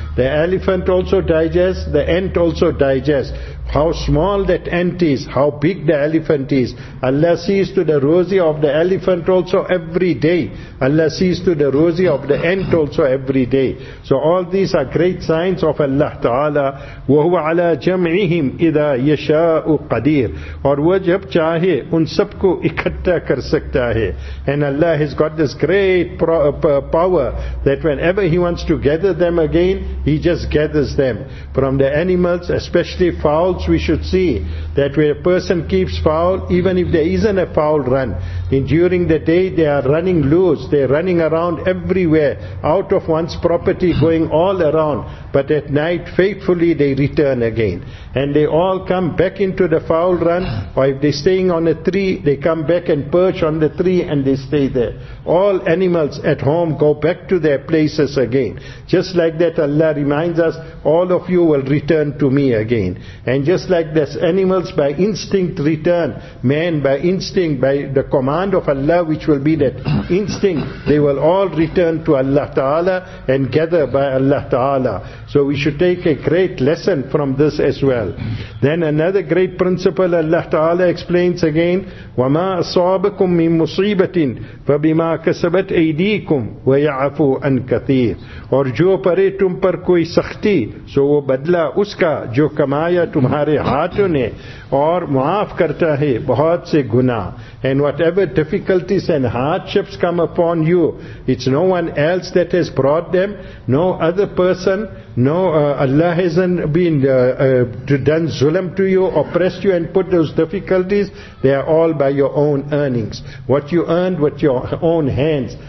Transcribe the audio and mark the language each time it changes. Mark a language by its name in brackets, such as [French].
[English] The elephant also digests, the ant also digests. How small that ant is, how big the elephant is. Allah sees to the rosy of the elephant also every day. Allah sees to the rosy of the ant also every day. So all these are great signs of Allah Ta'ala. [Arabic] وَهُوَ عَلَىٰ جَمْعِهِمْ إِذَا يَشَاءُ قَدِيرٌ [Urdu] اور وہ جب چاہے ان سب کو اکٹھا کر سکتا ہے. [English] And Allah has got this great power that whenever He wants to gather them again, He just gathers them. From the animals, especially fowls, we should see that where a person keeps fowl, even if there isn't a fowl run, during the day they are running loose, they are running around everywhere, out of one's property, going all around, but at night faithfully they return again. And they all come back into the fowl run, or if they're staying on a tree, they come back and perch on the tree and they stay there. All animals at home go back to their places again. Just like that, Allah reminds us, all of you will return to me again. And just like this, animals by instinct return, man by instinct, by the command of Allah, which will be that instinct, they will all return to Allah Ta'ala and gather by Allah Ta'ala. So we should take a great lesson from this as well. Then another great principle Allah Ta'ala explains again, [Arabic] وَمَا أَصَابَكُم مِّن مُصِيبَةٍ فَبِمَا كَسَبَتْ أَيْدِيكُمْ وَيَعَفُوا أَن كَثِيرٌ [Urdu] اور جو پرے تم پر کوئی سختی سو وہ بدلہ اس کا جو کمایا تمہارے ہاتھوں نے اور معاف کرتا ہے بہت سے گناہ. [English] And whatever difficulties and hardships come upon you, it's no one else that has brought them, no other person. No, Allah hasn't been done zulm to you, oppressed you and put those difficulties. They are all by your own earnings. What you earned with your own hands.